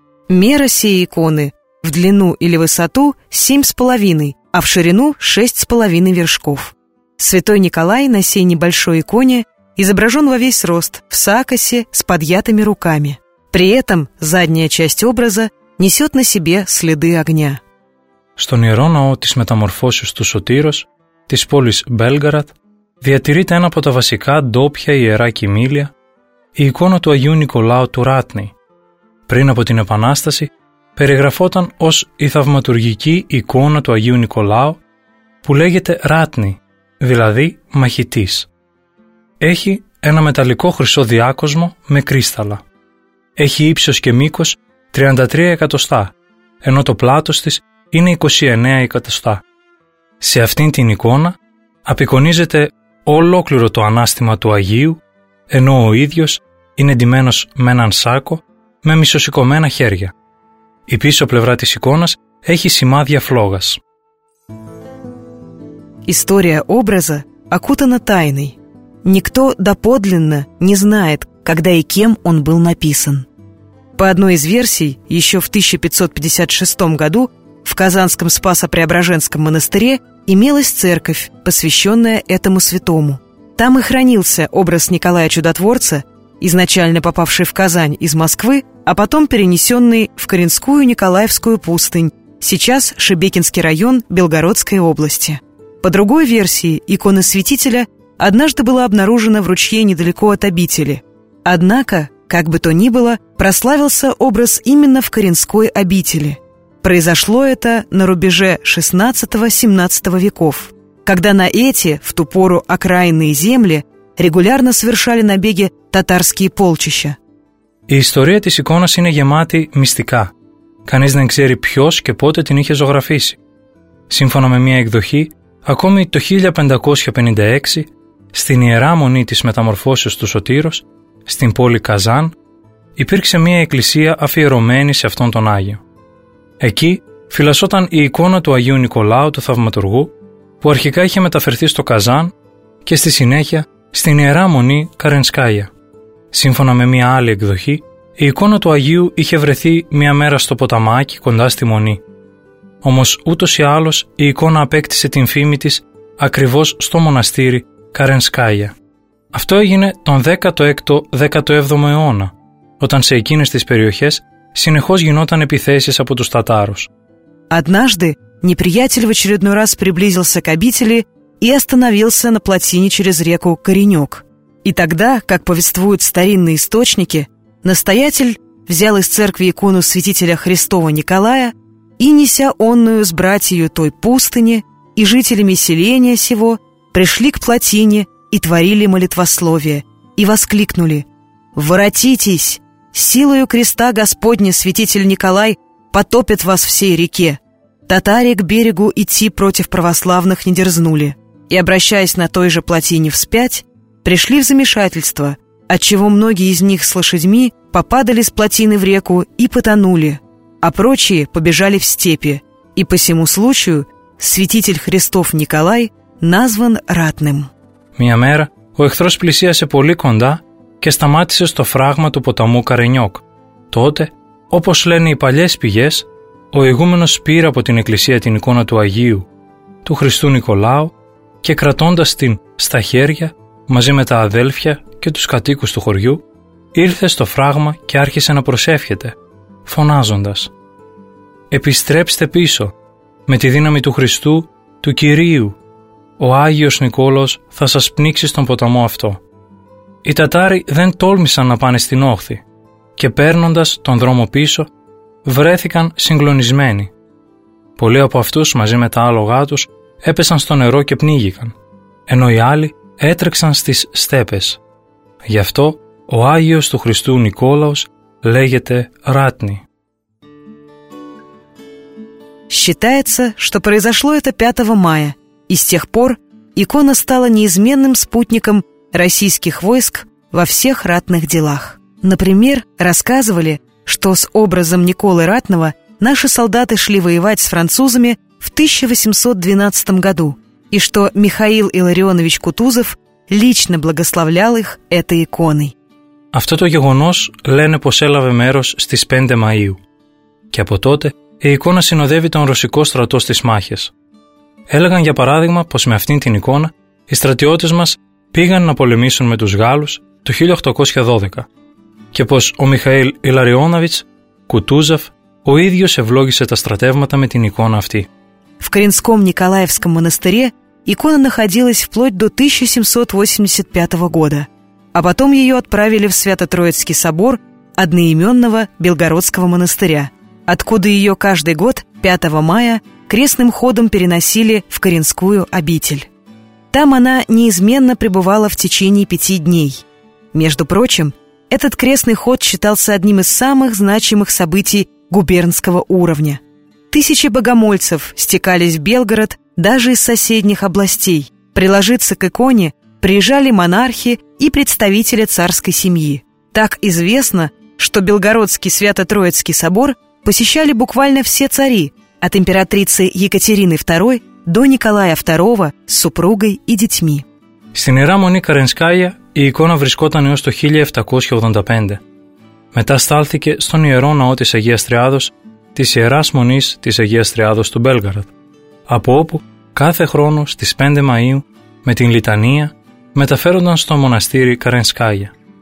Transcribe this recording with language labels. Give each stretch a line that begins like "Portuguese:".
Russian: Мера сей иконы в длину или высоту 7,5, а в ширину 6,5 вершков. Святой Николай на сей небольшой иконе изображен во весь рост в сакосе с подъятыми руками. При этом задняя часть образа несет на себе следы огня.
Greek: Στον Ιερό Ναό της Μεταμορφώσεως του Σωτήρος, της πόλης Μπέλγαραντ, διατηρείται ένα από τα βασικά ντόπια ιερά κοιμήλια, η εικόνα του Αγίου Νικολάου του Ράτνη. Πριν από την Επανάσταση, περιγραφόταν ως η θαυματουργική εικόνα του Αγίου Νικολάου, που λέγεται Ράτνη, δηλαδή μαχητής. Έχει ένα μεταλλικό χρυσό διάκοσμο με κρίσταλα. Έχει ύψος και μήκος 33 εκατοστά, ενώ το πλάτος της είναι 29 εκατοστά. Σε αυτήν την εικόνα απεικονίζεται ολόκληρο το ανάστημα του Αγίου, ενώ ο ίδιος είναι ντυμένος με έναν σάκο με μισοσηκωμένα χέρια. Η πίσω πλευρά της εικόνας έχει σημάδια φλόγας.
Russian: История образа окутана тайной. Никто доподлинно не знает, когда и кем он был написан. По одной из версий, еще в 1556 году в Казанском Спасо-Преображенском монастыре имелась церковь, посвященная этому святому. Там и хранился образ Николая Чудотворца, изначально попавший в Казань из Москвы, а потом перенесенный в Каринскую Николаевскую пустынь, сейчас Шебекинский район Белгородской области. По другой версии, икона святителя однажды была обнаружена в ручье недалеко от обители. Однако, как бы то ни было, прославился образ именно в Каринской обители. Произошло это на рубеже XVI-XVII веков, когда на эти, в ту пору окраинные земли, регулярно совершали набеги татарские полчища.
Greek: Η ιστορία της εικόνας είναι γεμάτη μυστικά. Κανείς δεν ξέρει ποιος και πότε την είχε ζωγραφίσει. Σύμφωνα με μια εκδοχή, ακόμη το 1556, στην Ιερά Μονή της Μεταμορφώσεως του Σωτήρος, στην πόλη Καζάν, υπήρξε μια εκκλησία αφιερωμένη σε αυτόν τον Άγιο. Εκεί φυλασσόταν η εικόνα του Αγίου Νικολάου του Θαυματουργού, που αρχικά είχε μεταφερθεί στο Καζάν και στη συνέχεια στην Ιερά Μονή Καρενσκάια. Σύμφωνα με μια άλλη εκδοχή, Η εικόνα του Αγίου είχε βρεθεί μία μέρα στο ποταμάκι κοντά στη Μονή. Όμως ούτως ή άλλως η εικόνα απέκτησε την φήμη της ακριβώς στο μοναστήρι Καρενσκάγια. Αυτό έγινε τον 16ο-17ο αιώνα, όταν σε εκείνες τις περιοχές συνεχώς γινόταν επιθέσεις από τους Τατάρους.
Russian: Однажды неприятель в очередной раз приблизился к обители и остановился на плотине через реку Коренёк. И тогда, как повествуют старинные источники, настоятель взял из церкви икону святителя Христова Николая и, неся онную с братьею той пустыни и жителями селения сего, пришли к плотине и творили молитвословие, и воскликнули: «Воротитесь! Силою креста Господня святитель Николай потопит вас всей реке!» Татари к берегу идти против православных не дерзнули, и, обращаясь на той же плотине вспять, пришли в замешательство, отчего многие из них с лошадьми попадали с плотины в реку и потонули, а прочие побежали в степи, и по сему случаю святитель Христов Николай назван ратным.
Greek: Μια μέρα ο εχθρός πλησίασε πολύ κοντά και σταμάτησε στο φράγμα του ποταμού Καρενιόκ. Τότε, όπως λένε οι παλιές πηγές, ο ηγούμενος πήρε από την εκκλησία την εικόνα του Αγίου, του Χριστού Νικολάου, και κρατώντας την στα χέρια, μαζί με τα αδέλφια και τους κατοίκους του χωριού, ήρθε στο φράγμα και άρχισε να προσεύχεται, φωνάζοντας: «Επιστρέψτε πίσω, με τη δύναμη του Χριστού, του Κυρίου. Ο Άγιος Νικόλος θα σας πνίξει στον ποταμό αυτό». Οι Τατάροι δεν τόλμησαν να πάνε στην όχθη και παίρνοντας τον δρόμο πίσω βρέθηκαν συγκλονισμένοι. Πολλοί από αυτούς μαζί με τα άλογά τους έπεσαν στο νερό και πνίγηκαν, ενώ οι άλλοι έτρεξαν στις στέπες. Γι' αυτό ο Άγιος του Χριστού Νικόλαος λέγεται Ράτνη.
Russian: Считается, что произошло это 5 мая. И с тех пор икона стала неизменным спутником российских войск во всех ратных делах. Например, рассказывали, что с образом Николы Ратного наши солдаты шли воевать с французами в 1812 году, и что Михаил Илларионович Кутузов лично благословлял их этой иконой.
Greek: Αυτό το γεγονός λένε πως έλαβε μέρος στις 5 Μαΐου. Και από τότε η εικόνα συνοδεύει τον ρωσικό στρατό στις μάχες. Έλεγαν για παράδειγμα πως με αυτήν την εικόνα οι στρατιώτες μας πήγαν να πολεμήσουν με τους Γάλλους το 1812 και πως ο Μιχαήλ Ιλαριώναβιτς Κουτούζαφ ο ίδιος ευλόγησε τα στρατεύματα με την εικόνα αυτή.
Russian: В Каринском Николаевском монастыре икона находилась вплоть до 1785 года, а потом ее отправили в Свято-Троицкий собор одноименного Белгородского монастыря, откуда ее каждый год 5 мая крестным ходом переносили в Каринскую обитель. Там она неизменно пребывала в течение 5 дней. Между прочим, этот крестный ход считался одним из самых значимых событий губернского уровня. Тысячи богомольцев стекались в Белгород даже из соседних областей. Приложиться к иконе приезжали монархи и представители царской семьи. Так известно, что Белгородский Свято-Троицкий собор посещали буквально все цари, от императрицы Екатерины II до Николая II с супругой и детьми.
Greek: Στην Ιερά Μονή Καρενσκάγια η εικόνα βρισκόταν έως το 1785. Μετά στάλθηκε στον Ιερό Ναό της Αγίας Τριάδος, της Ιεράς Μονής της Αγίας Τριάδος του Μπέλγαραντ, από όπου κάθε χρόνο στις 5 Μαΐου με την Λιτανία μεταφέρονταν στο μοναστήρι Καρενσκάγια.